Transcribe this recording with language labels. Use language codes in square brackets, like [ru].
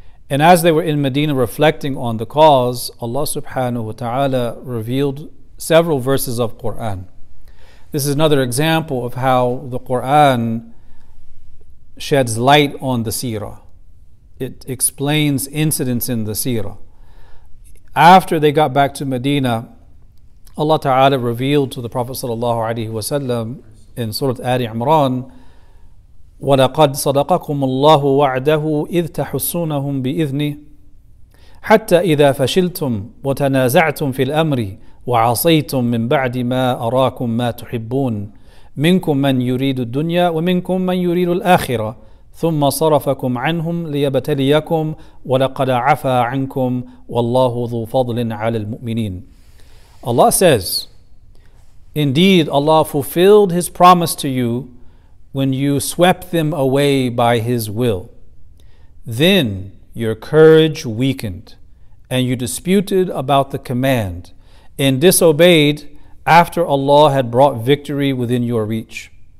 [en] And as they were in Medina reflecting on the cause, Allah subhanahu wa ta'ala revealed several verses of Quran. This is another example of how the Quran sheds light on the seerah. It explains incidents in the seerah. After they got back to Medina, Allah ta'ala revealed to the Prophet sallallahu alayhi wa sallam in Surah Ali Imran, [ar] وَلَقَدْ صَدَقَكُمُ اللَّهُ وَعْدَهُ إِذْ تَحُسُّونَهُمْ بِإِذْنِهِ حَتَّى إِذَا فَشِلْتُمْ وَتَنَازَعْتُمْ فِي الْأَمْرِ وَعَصَيْتُمْ مِنْ بَعْدِ مَا أَرَاكُمْ مَا تُحِبُّونَ مِنْكُمْ مَنْ يُرِيدُ الدُّنْيَا وَمِنْكُمْ مَنْ يُرِيدُ الْآخِرَةَ ثُمَّ صَرَفَكُمْ عَنْهُمْ لِيَبْتَلِيَكُمْ وَلَقَدْ عَفَا عَنْكُمْ وَاللَّهُ ذُو فَضْلٍ عَلَى الْمُؤْمِنِينَ. [en] Allah says, indeed Allah fulfilled His promise to you when you swept them away by His will. Then your courage weakened, and you disputed about the command, and disobeyed after Allah had brought victory within your reach.